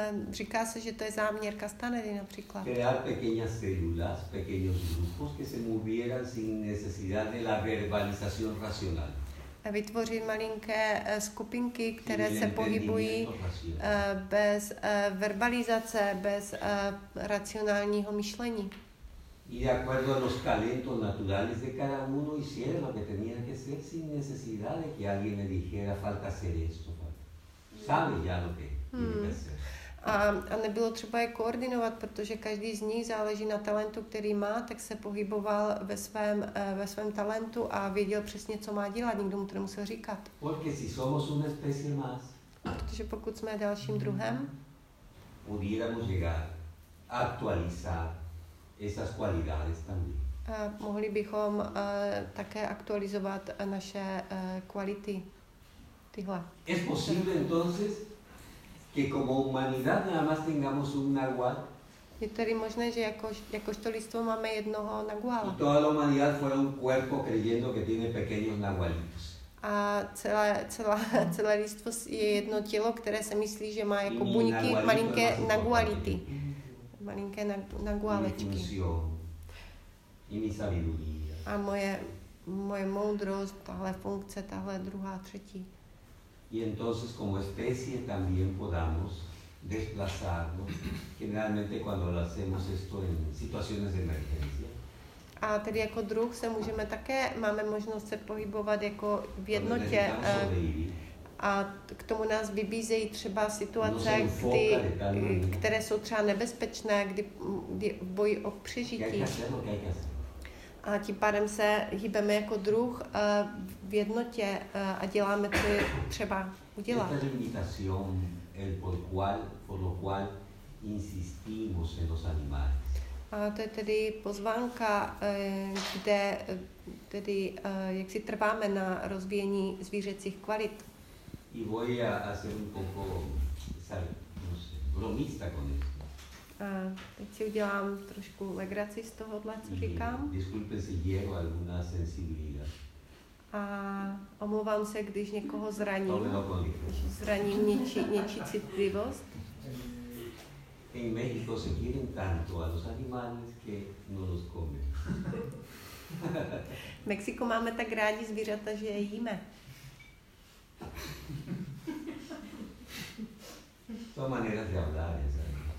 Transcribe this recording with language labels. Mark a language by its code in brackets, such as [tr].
[cs] Říká se, že to je záměr Castanedy například. [es] Crear pequeñas células, pequeños grupos que se movieran sin necesidad de la verbalización racional. [cs] Vytvořit malinké skupinky, které se pohybují bez verbalizace, bez racionálního myšlení. [es] Y de acuerdo a los talentos naturales de cada uno hicieron lo que tenía que ser sin necesidad de que alguien le dijera falta hacer esto. Sabe ya lo que [cs] A nebylo třeba je koordinovat, protože každý z nich záleží na talentu, který má, tak se pohyboval ve svém talentu a věděl přesně, co má dělat, nikdo mu to nemusel říkat. [es] Porque si somos una especie más, [cs] protože pokud jsme dalším druhem, [es] pudiéramos llegar a actualizar esas cualidades también. [cs] Mohli bychom také aktualizovat naše kvality. Tyhle. [es] Es posible entonces que como humanidad nada más tengamos un nahual. [cs] Je tedy možné, že jakožto lidstvo máme jednoho naguala. [es] Y toda la humanidad fuera un cuerpo creyendo que tiene pequeños nahualitos. [cs] A celé lidstvo je jedno tělo, které se myslí, že má jako buňky, malinké naguality. Malinké nagualečky. [es] Y mi sabiduría. [cs] A moje moudrost, tahle funkce, tahle druhá, třetí. [es] Y entonces como especie también podamos desplazarlo, generalmente cuando lo hacemos esto en situaciones de emergencia. [cs] A tedy jako druh se můžeme také, máme možnost se pohybovat jako v jednotě. A k tomu nás vybízejí třeba situace, které jsou třeba nebezpečné, kdy bojí o přežití. A tím pádem se hýbeme jako druh v jednotě a děláme, co je třeba udělat. [es] Esta limitación, por lo cual insistimos en los animales. [cs] A to je tedy pozvánka, kde tedy jak si trváme na rozvíjení zvířecích kvalit. [es] Y voy a hacer un poco, no sé, bromista con esto. [cs] A teď si udělám trošku legraci z tohohle, co říkám. [es] Disculpe si hiero alguna sensibilidad. [cs] A omlouvám se, když někoho zraním. Zraním něčí citlivost. [es] En México se quieren tanto a los animales que no los comen. [cs] V Mexiku máme tak rádi zvířata, že je jíme. [es] Son maneras de hablar, ¿sabes?